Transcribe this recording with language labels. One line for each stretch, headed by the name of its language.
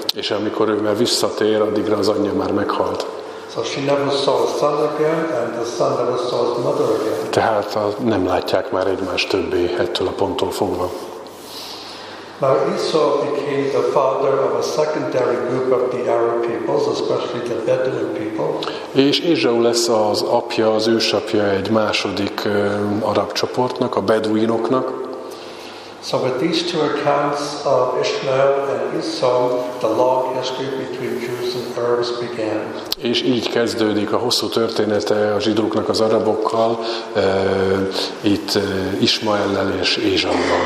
Hungarian: És amikor ő már visszatér, addigra az anyja már meghalt.
English: So she never saw his son again, and the son never saw his mother again.
Hungarian: Tehát nem látják már egymást többé ettől a ponttól fogva.
English: Now Esau became the father of a secondary group of the Arab peoples, especially the Bedouin people.
Hungarian: És Ézsau lesz az apja, az ősapja egy második arab csoportnak, a beduinoknak.
English: So with these two accounts of Ishmael and Esau, the long history between Jews and Arabs began.
Hungarian: És így kezdődik a hosszú története a zsidóknak az arabokkal, itt Ismaellel és Ézsauval.